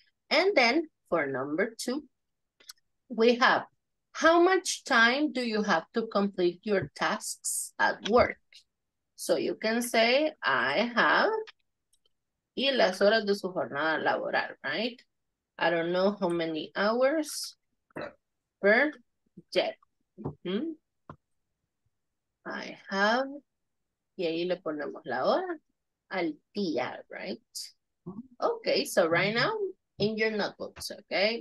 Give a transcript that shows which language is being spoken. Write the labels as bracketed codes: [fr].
[en] And then, for number two, we have, how much time do you have to complete your tasks at work? So you can say, I have [es] y las horas de su jornada laboral, [en] right? I don't know how many hours per day. I have, [es] y ahí le ponemos la hora al día, right? [en] Okay, so right now, in your notebooks, okay?